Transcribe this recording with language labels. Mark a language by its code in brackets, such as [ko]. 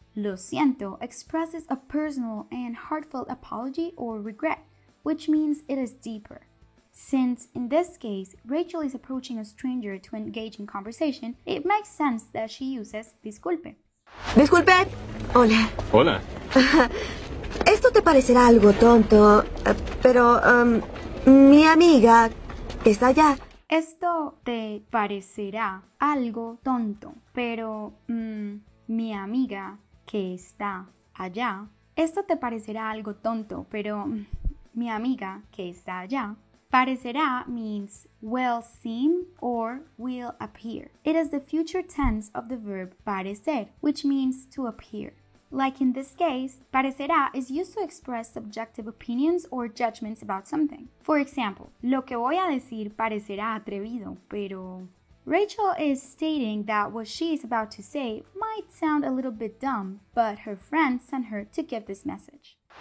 [en] Lo siento expresses a personal and heartfelt apology or regret, which means it is deeper. Since in this case, Rachel is approaching a stranger to engage in conversation, it makes sense that she uses disculpe. [es] Disculpe. Hola. Hola. Esto te parecerá algo tonto, pero mi amiga está allá. Esto te parecerá algo tonto, pero mi amiga que está allá. Esto te parecerá algo tonto, pero mi amiga que está allá. [en] Parecerá means will seem or will appear. It is the future tense of the verb parecer, which means to appear. Like in this case, parecerá is used to express subjective opinions or judgments about something. For example, [es] lo que voy a decir parecerá atrevido, pero... [en] Rachel is stating that what she is about to say might sound a little bit dumb, but her friend sent her to give this message.